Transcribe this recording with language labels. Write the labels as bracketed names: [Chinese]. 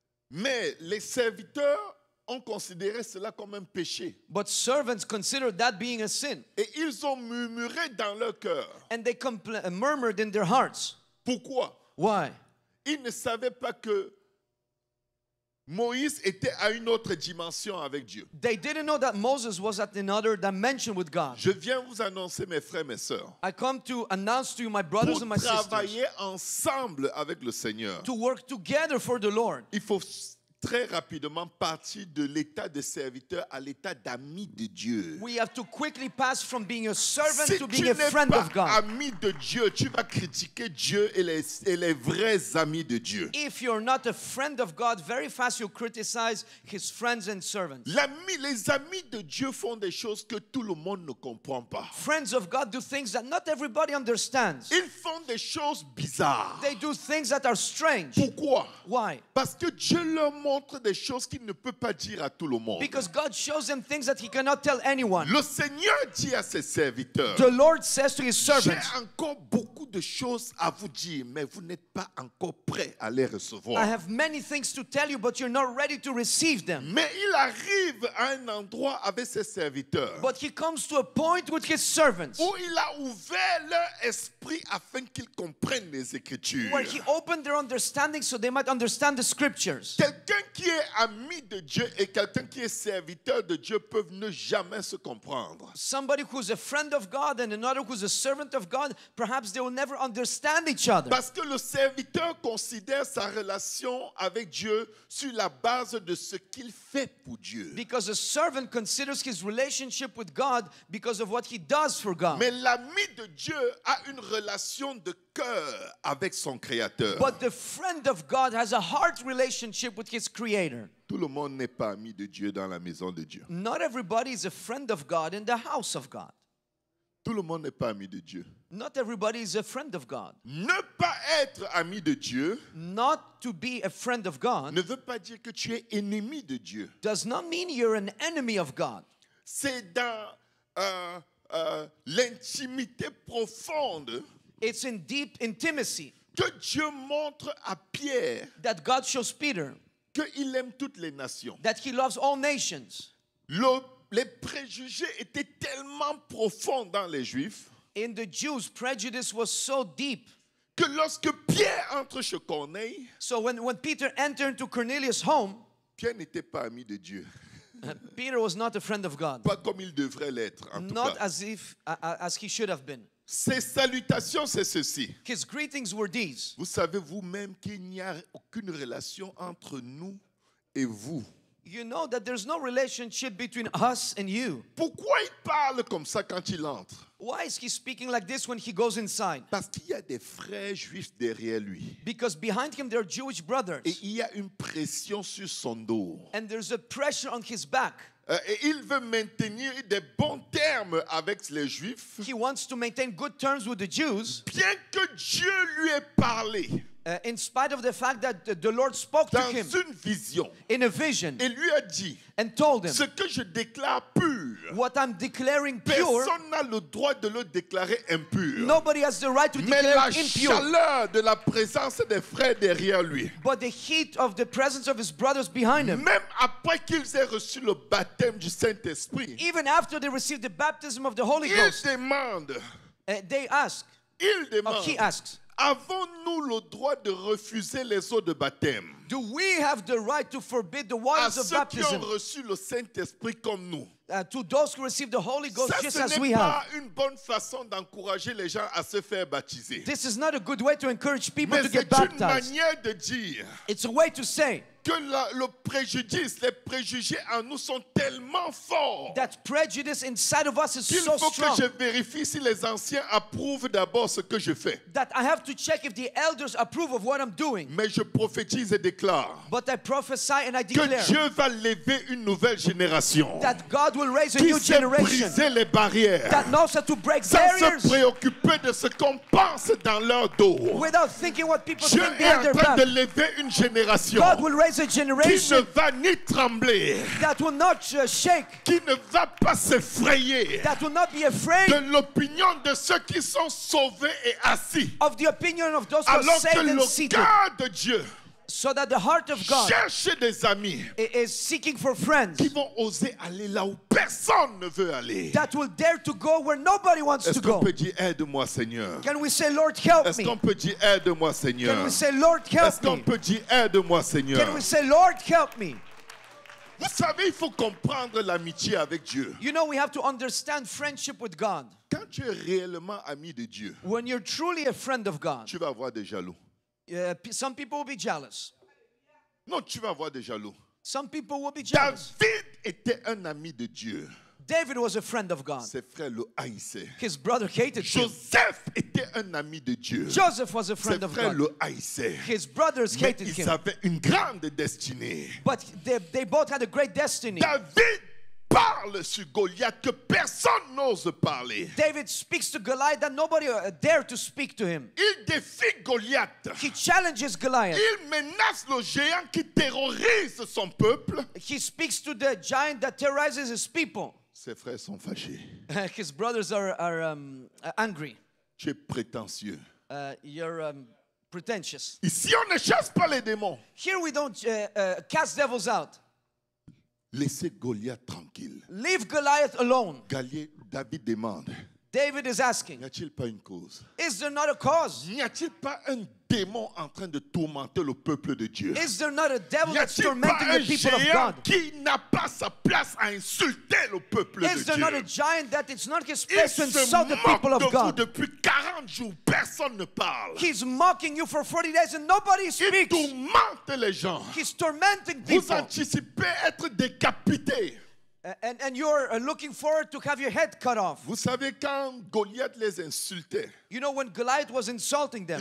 [French] Mais les serviteurs ont considéré cela comme un péché. [English] But servants considered that being a sin. [French] Et ils ont murmuré dans leur cœur. [English] And they murmured in their hearts. [French] Pourquoi? [English] Why? [French] Ils ne savaient pas que Moïse était à une autre dimension avec Dieu. [English] They didn't know that Moses was at another dimension with God. [French] Je viens vous annoncer, mes frères, mes sœurs. [English] I come to announce to you, my brothers and my sisters. [French] Pour travailler ensemble avec le Seigneur. [English] To work together for the Lord. [French] Il faut très rapidement partir de l'état de serviteur à l'état d'ami de Dieu. [English] We have to quickly pass from being a servant [French] si [English] to being a friend of God. [French] Si tu n'es pas ami de Dieu, tu vas critiquer Dieu et les vrais amis de Dieu. [English] If you're not a friend of God, very fast you criticize his friends and servants. [French] Les amis de Dieu font des choses que tout le monde ne comprend pas. [English] Friends of God do things that not everybody understands. [French] Ils font des choses bizarres. [English] They do things that are strange. [French] Pourquoi? [English] Why? [French] Parce que Dieu leur montre des choses qu'il ne peut pas dire à tout le monde. [English] Because God shows them things that he cannot tell anyone. [French] Le Seigneur dit à ses serviteurs. [English] The Lord says to his servants. [French] J'ai encore beaucoup de choses à vous dire, mais vous n'êtes pas encore prêts à les recevoir. [English] I have many things to tell you, but you're not ready to receive them. [French] Mais il arrive à un endroit avec ses serviteurs. [English] But he comes to a point with his servants. [French] Où il a ouvert leur esprit afin qu'ils comprennent les Écritures. [English] Where he opened their understanding so they might understand the scriptures. [French] Quelqu'un quelqu'un qui est ami de Dieu et quelqu'un qui est serviteur de Dieu peuvent ne jamais se comprendre. [English] Somebody who's a friend of God and another who's a servant of God, perhaps they will never understand each other. [French] Parce que le serviteur considère sa relation avec Dieu sur la base de ce qu'il fait pour Dieu. [English] Because a servant considers his relationship with God because of what he does for God. [French] Mais l'ami de Dieu a une relation de cœur avec son créateur. [English] But the friend of God has a heart relationship with his creator. [French] Tout le monde n'est pas ami de Dieu dans la maison de Dieu. [English] Not everybody is a friend of God in the house of God. [French] Tout le monde n'est pas ami de Dieu. [English] Not everybody is a friend of God. [French] Ne pas être ami de Dieu, [English] not to be a friend of God, [French] ne veut pas dire que tu es ennemi de Dieu. [English] Does not mean you're an enemy of God. [French] C'est dans l'intimité profonde. [English] It's in deep intimacy. [French] Que Dieu montre à Pierre, [English] that God shows Peter, [French] que il aime toutes les nations. [English] That he loves all nations. [French] Les préjugés étaient tellement profonds dans les Juifs. [English] In the Jews, prejudice was so deep. [French] Que lorsque Pierre entre chez Corneille, [English] so when Peter entered into Cornelius' home, [French] Pierre n'était pas ami de Dieu. [English] Peter was not a friend of God. [French] Pas comme il devrait l'être, en [English] not [French] tout cas. [English] As if as he should have been. [French] Ses salutations, c'est ceci. [English] His greetings were these. [French] Vous savez vous-même qu'il n'y a aucune relation entre nous et vous. [English] You know that there's no relationship between us and you. [French] Pourquoi il parle comme ça quand il entre? [English] Why is he speaking like this when he goes inside? [French] Parce qu'il y a des frères juifs derrière lui. [English] Because behind him there are Jewish brothers. [French] Et il y a une pression sur son dos. [English] And there's a pressure on his back. [French] Et il veut maintenir des bons termes avec les Juifs. [English] He wants to maintain good terms with the Jews. [French] Bien que Dieu lui ait parlé. [English] In spite of the fact that the Lord spoke [French] dans [English] to him. [French] Dans une vision. [English] In a vision. [French] Et lui a dit. [English] And told him. [French] Ce que je déclare pur. [English] What I'm declaring pure. [French] Personne n'a le droit de le déclarer impur. [English] Nobody has the right to [French] mais [English] declare impure. [French] Mais la chaleur de la présence des frères derrière lui. [English] But the heat of the presence of his brothers behind him. [French] Même après qu'ils aient reçu le baptême du Saint-Esprit. [English] Even after they received the baptism of the Holy Ghost. [French] Ils demandent. They ask. Ils demandent. [English] Or he asks. [French] Avons-nous le droit de refuser les eaux de baptême? [English] Do we have the right to forbid the waters of baptism? [French] À ceux qui ont reçu le Saint-Esprit comme nous. [English] To those who receive the Holy Ghost [French] ça, [English] just as we have. [French] Ça, ce n'est pas une bonne façon d'encourager les gens à se faire baptiser. [English] This is not a good way to encourage people [French] mais [English] to get baptized. [French] Mais c'est une manière de dire. [English] It's a way to say. [French] Que le préjudice, les préjugés en nous sont tellement forts. [English] That prejudice inside of us is so strong. [French] Qu'il faut que je vérifie si les anciens approuvent d'abord ce que je fais. [English] That I have to check if the elders approve of what I'm doing. [French] Mais je prophétise et déclare. [English] But I prophesy and I declare. [French] Que Dieu va lever une nouvelle génération. [English] That God will raise a new generation. [French] Qui sait briser les barrières. [English] That knows how to break [French] sans [English] barriers. [French] Sans se préoccuper de ce qu'on pense dans leur dos. [English] Without thinking what people [French] Dieu [English] think behind their back. [French] Dieu est en train de lever une génération. [English] God will raise a generation [French] qui ne va ni trembler, [English] that will not shake, [French] qui ne va pas s'effrayer, [English] that will not be afraid, [French] de l'opinion de ceux qui sont sauvés et assis, [English] of the opinion of those who are saved and seated. [French] Alors que le cœur de Dieu, [English] so that the heart of God, [French] cherche des amis, [English] is seeking for friends, [French] qui vont oser aller là où personne ne veut aller, [English] that will dare to go where nobody wants [French] est-ce [English] to go. [French] Est-ce qu'on peut dire aide-moi, Seigneur? [English] Can we say, Lord, help [French] est-ce [English] me? [French] Est-ce qu'on peut dire aide-moi, Seigneur? [English] Can we say, Lord, help me? [French] Est-ce qu'on peut dire aide-moi, Seigneur? [English] Can we say, Lord, help me? [French] Vous savez, il faut comprendre l'amitié avec Dieu. [English] You know, we have to understand friendship with God. [French] Quand tu es réellement ami de Dieu, [English] when you're truly a friend of God, [French] tu vas avoir des jaloux. [English] Some people will be jealous. [French] Non, tu vas avoir des jaloux. [English] Some people will be jealous. [French] David était un ami de Dieu. [English] David was a friend of God. [French] Ses frères le haïssaient. [English] His brother hated [French] Joseph [English] him. [French] Joseph était un ami de Dieu. [English] Joseph was a friend [French] ses [English] of God. [French] Ses frères le haïssaient. [English] His brothers [French] mais [English] hated [French] ils [English] him. [French] Ils avaient une grande destinée. [English] But they both had a great destiny. [French] David parle sur Goliath que personne n'ose parler. [English] David speaks to Goliath that nobody dare to speak to him. [French] Il défie Goliath. [English] He challenges Goliath. [French] Il menace le géant qui terrorise son peuple. [English] He speaks to the giant that terrorizes his people. [French] Ses frères sont fâchés. [English] His brothers are angry. [French] Tu es prétentieux. [English] You're pretentious. [French] Ici, on ne chasse pas les démons. [English] Here we don't cast devils out. [French] Laissez Goliath tranquille. [English] Leave Goliath alone. [French] Goliath, David demande. [English] David is asking. [French] N'y a-t-il pas une cause? [English] Is there not a cause? [French] N'y a-t-il pas un démon en train de tourmenter le peuple de Dieu? [English] Is there not a devil that's tormenting the people of God? [French] Y a-t-il pas un géant qui n'a pas sa place à insulter le peuple de Dieu? [English] Is there not a giant that it's not his place to insult the people of God? [French] Il se moque de vous depuis 40 jours, personne ne parle. [English] He's mocking you for 40 days and nobody speaks. [French] Il tourmente les gens. [English] He's tormenting people. [French] Vous anticipez être décapité. [English] And you're looking forward to have your head cut off. [French] Vous savez, quand Goliath les insultait, [English] you know, when Goliath was insulting them,